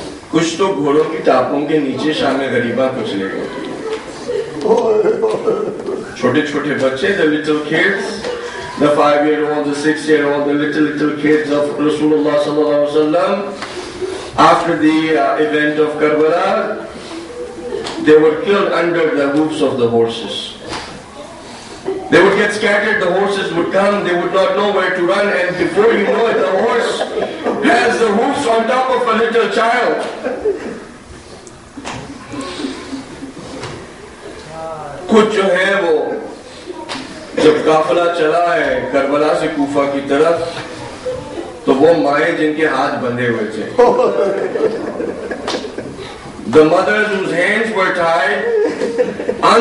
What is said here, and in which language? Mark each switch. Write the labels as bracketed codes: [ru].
[ur] کچھ تو گھوڑوں کی ٹاپوں کے نیچے شام غریباں کچھ لے گئے chote chote bache, [en] the little kids, the 5-year-old, the 6-year-old, the little kids of Rasulullah sallallahu alaihi wasallam, after the event of Karbala, they were killed under the hoofs of the horses. They would get scattered, the horses would come, they would not know where to run, and before you know it, the horse has the hoofs on top of a little child. [ur] کچھ جو ہے وہ جب قافلہ چلا ہے کربلا سے کوفہ کی طرف تو وہ مائیں جن کے ہاتھ بندے ہوئے تھے [en] the mothers whose hands were tied